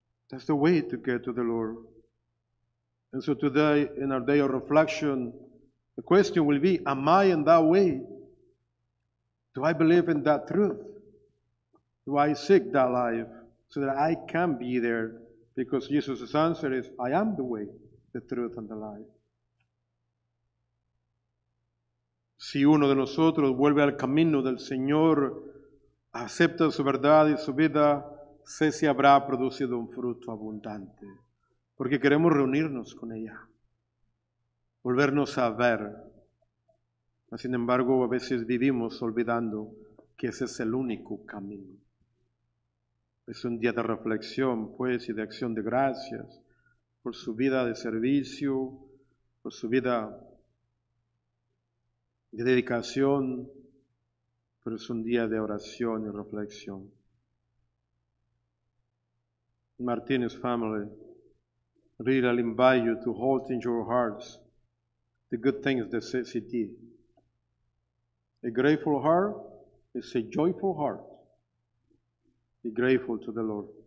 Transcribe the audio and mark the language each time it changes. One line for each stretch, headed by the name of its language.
English: That's the way to get to the Lord. And so today, in our day of reflection, the question will be, am I in that way? Do I believe in that truth? Do I seek that life so that I can be there? Because Jesus' answer is, I am the way, the truth, and the life.
Spanish: Si uno de nosotros vuelve al camino del Señor, acepta su verdad y su vida, sé si habrá producido un fruto abundante. Porque queremos reunirnos con ella, volvernos a ver. Sin embargo, a veces vivimos olvidando que ese es el único camino. Es un día de reflexión, pues, y de acción de gracias por su vida de servicio, por su vida de dedicación, pero es un día de oración y reflexión.
English: Martinez family, really I'll invite you to hold in your hearts the good things that Cecy did. A grateful heart is a joyful heart. Be grateful to the Lord.